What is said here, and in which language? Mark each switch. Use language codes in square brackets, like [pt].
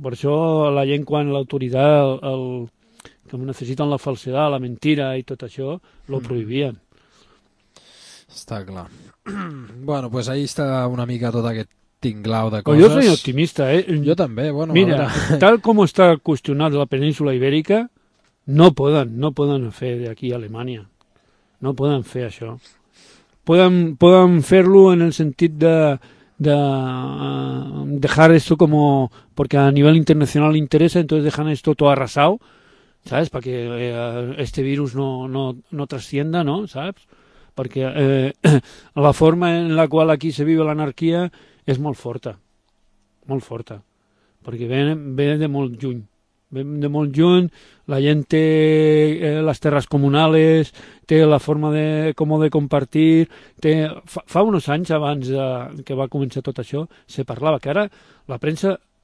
[ca] Per això la gent, quan l'autoritat com necessiten la falsedat, la mentira i tot això, lo prohibien. Està clar. Bueno, pues ahí está una mica tot aquest tinglau de coses. [es] Jo soy optimista, eh? [ca] Jo també, bueno. Mira, tal com està qüestionat la península ibèrica, no poden fer d'aquí a Alemanya. No poden fer això. Poden fer-lo en el sentit de deixar esto como... [es] Porque a nivell internacional interessa, entonces dejan esto todo arrasado, ¿sabes? Para que este virus no trascienda, ¿no? ¿Sabes? [ca] Perquè la forma en la qual aquí se vive l'anarquia és molt forta, molt forta, perquè ve de molt lluny, la gent té les terres comunales, té la forma de com de compartir, fa uns anys abans que va començar tot això, se parlava, que ara la premsa